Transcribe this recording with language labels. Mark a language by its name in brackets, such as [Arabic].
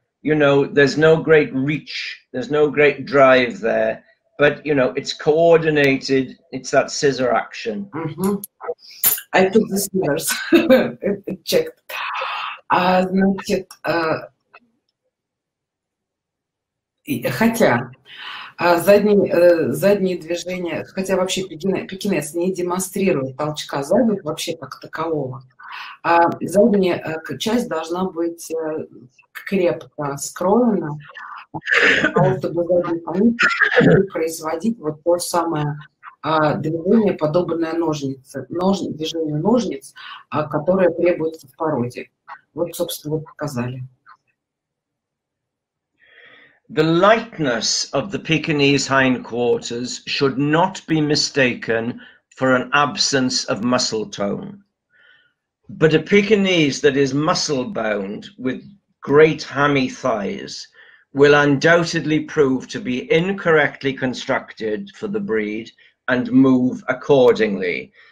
[English] You know, there's no great reach, there's no great drive there, but you know, it's coordinated, it's that scissor action. Mm-hmm. I took the scissors, checked. [Russian] Значит, хотя задние движения, хотя вообще пекинес не демонстрирует толчка задних вообще как такового. Задняя часть должна быть крепко скроена, чтобы задний конец производить вот то самое движение, подобное ножнице, движение ножниц, которое требуется в породе. Вот, собственно, вы показали. [English] The lightness of the Pekinese hindquarters should not be mistaken for an absence of muscle tone. But a Pekinese that is muscle-bound with great hammy thighs will undoubtedly prove to be incorrectly constructed for the breed and move accordingly.